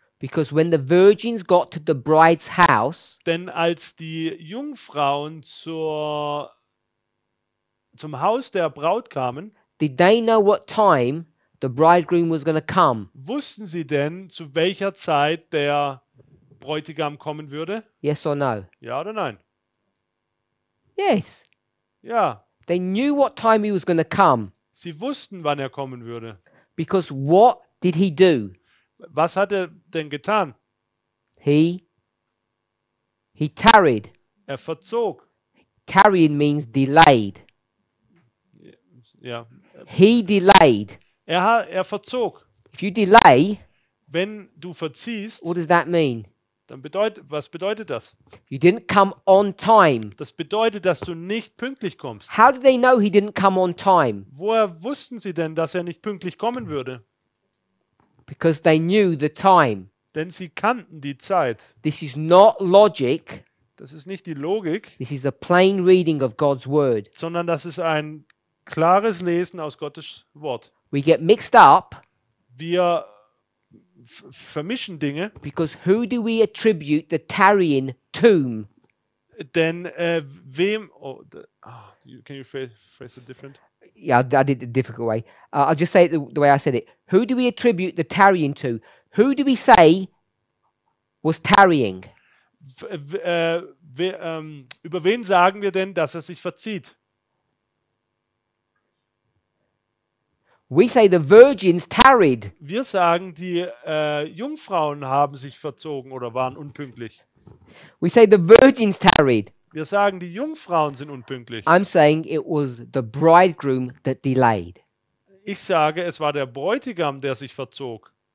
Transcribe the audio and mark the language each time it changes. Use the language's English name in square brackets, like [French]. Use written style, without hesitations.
[English] Because when the virgins got to the bride's house, [German] denn als die Jungfrauen zum Haus der Braut kamen. [English] Did they know what time the bridegroom was going to come? [German] Wussten sie denn, zu welcher Zeit der Bräutigam kommen würde? [English] Yes or no? [German] Ja oder nein? [English] Yes. [German] Ja. [English] They knew what time he was going to come. [German] Sie wussten, wann er kommen würde. [English] Because what did he do? [German] Was hat er denn getan? [English] He tarried. [German] Er verzog. [English] Tarrying means delayed. [German] Ja. [English] He delayed. [German] Er verzog. [English] If you delay, [German] wenn du verziehst, [English] what does that mean? [German] Was bedeutet das? [English] You didn't come on time. [German] Das bedeutet, dass du nicht pünktlich kommst. [English] How did they know he didn't come on time? [German] Woher wussten sie denn, dass er nicht pünktlich kommen würde? [English] Because they knew the time. [German] Denn sie kannten die Zeit. [English] This is not logic. [German] Das ist nicht die Logik. [English] This is the plain reading of God's word. [German] Sondern das ist ein klares Lesen aus Gottes Wort. [English] We get mixed up. [German] Wir vermischen Dinge. [English] Because who do we attribute the tarrying tomb? [German] Denn wem? [English] Oh, can you phrase it different? Yeah, I did it a difficult way. I'll just say it the way I said it. Who do we attribute the tarrying to? Who do we say was tarrying? [German] Über wen sagen wir denn, dass er sich verzieht? [English] We say the virgins tarried. [German] Wir sagen, die Jungfrauen haben sich verzogen oder waren unpünktlich. [English] We say the virgins tarried. [German] Wir sagen, die Jungfrauen sind unpünktlich. [English] I'm saying it was the bridegroom that delayed. [German] Ich sage, es war der Bräutigam, der sich verzog.